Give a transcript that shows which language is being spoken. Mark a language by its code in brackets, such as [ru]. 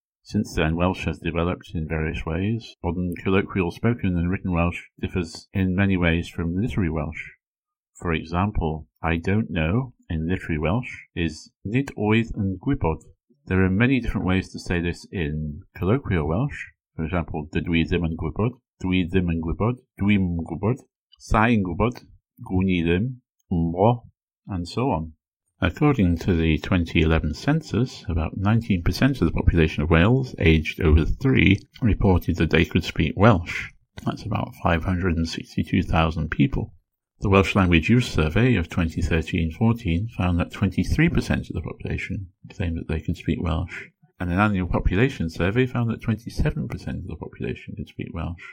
[en] Since then, Welsh has developed in various ways. Modern colloquial spoken and written Welsh differs in many ways from literary Welsh. For example, I don't know in literary Welsh is [cy] nid oedd yn gwybod. [en] There are many different ways to say this in colloquial Welsh. For example, [cy] dydw I ddim yn gwybod, dwi ddim yn gwybod, dwi'm yn gwybod, sa'i'n gwybod, gwn I ddim, mo, [en] and so on. According to the 2011 census, about 19% of the population of Wales aged over 3 reported that they could speak Welsh. That's about 562,000 people. The Welsh Language Use Survey of 2013-14 found that 23% of the population claimed that they could speak Welsh, and an annual population survey found that 27% of the population could speak Welsh.